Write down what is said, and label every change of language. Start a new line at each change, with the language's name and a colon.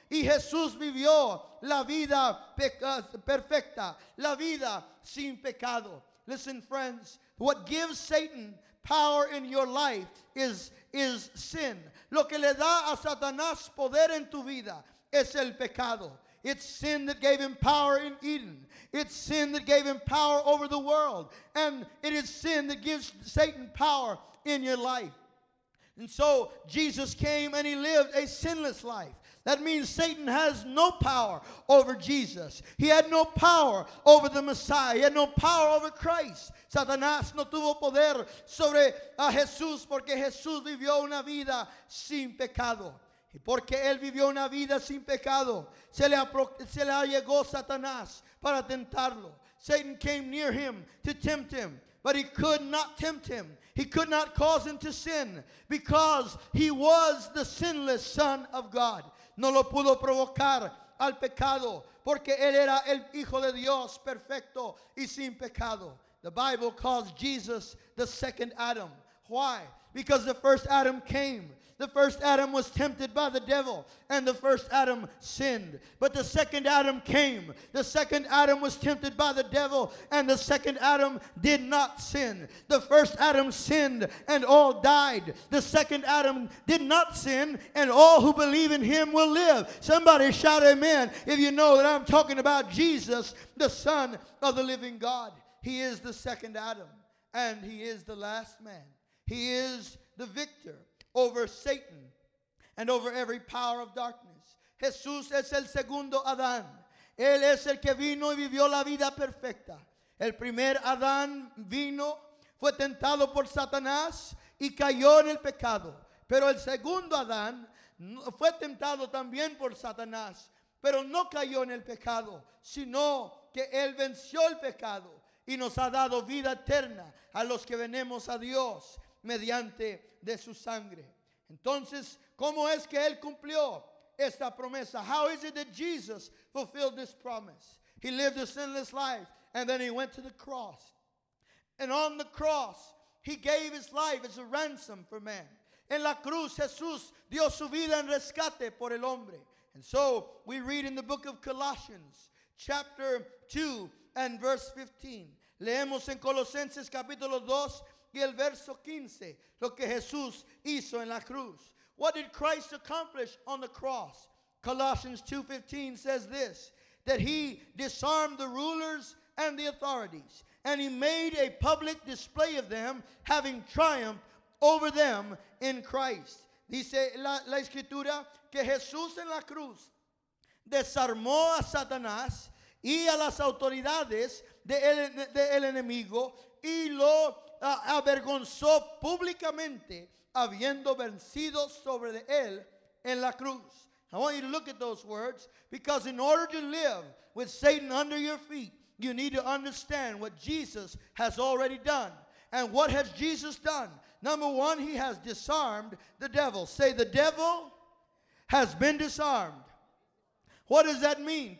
Spanish: Y Jesús vivió la vida perfecta, la vida sin pecado.
English: Listen, friends, what gives Satan power in your life is sin.
Spanish: Lo que le da a Satanás poder en tu vida es el pecado.
English: It's sin that gave him power in Eden. It's sin that gave him power over the world. And it is sin that gives Satan power in your life. And so Jesus came and he lived a sinless life. That means Satan has no power over Jesus. He had no power over the Messiah. He had no power over Christ.
Spanish: Satanás no tuvo poder sobre a Jesús porque Jesús vivió una vida sin pecado. Y porque él vivió una vida sin pecado, se le allegó Satanás para tentarlo.
English: Satan came near him to tempt him, but he could not tempt him. He could not cause him to sin because he was the sinless Son of God.
Spanish: no lo pudo provocar al pecado, porque él era el Hijo de Dios perfecto y sin pecado.
English: The Bible calls Jesus the second Adam. Why? Because the first Adam came. The first Adam was tempted by the devil, and the first Adam sinned. But the second Adam came. The second Adam was tempted by the devil, and the second Adam did not sin. The first Adam sinned, and all died. The second Adam did not sin, and all who believe in him will live. Somebody shout amen if you know that I'm talking about Jesus, the Son of the living God. He is the second Adam, and he is the last man. He is the victor over Satan and over every power of darkness.
Spanish: Jesús es el segundo Adán. Él es el que vino y vivió la vida perfecta. El primer Adán vino, fue tentado por Satanás y cayó en el pecado. Pero el segundo Adán fue tentado también por Satanás, pero no cayó en el pecado, sino que él venció el pecado y nos ha dado vida eterna a los que venimos a Dios mediante de su sangre. Entonces, ¿cómo es que él cumplió esta promesa?
English: How is it that Jesus fulfilled this promise? He lived a sinless life, and then he went to the cross. And on the cross, he gave his life as a ransom for man.
Spanish: En la cruz, Jesús dio su vida en rescate por el hombre.
English: And so, we read in the book of Colossians, chapter 2 and verse 15.
Spanish: Leemos en Colosenses capítulo 2, y el verso 15, lo que Jesús hizo en la cruz.
English: What did Christ accomplish on the cross? Colossians 2:15 says this, that he disarmed the rulers and the authorities, and he made a public display of them, having triumphed over them in Christ.
Spanish: Dice la escritura que Jesús en la cruz desarmó a Satanás y a las autoridades del enemigo y lo avergonzó públicamente habiendo vencido sobre él en la cruz.
English: I want you to look at those words, because in order to live with Satan under your feet, you need to understand what Jesus has already done. And what has Jesus done? Number one, he has disarmed the devil. Say, the devil has been disarmed. What does that mean?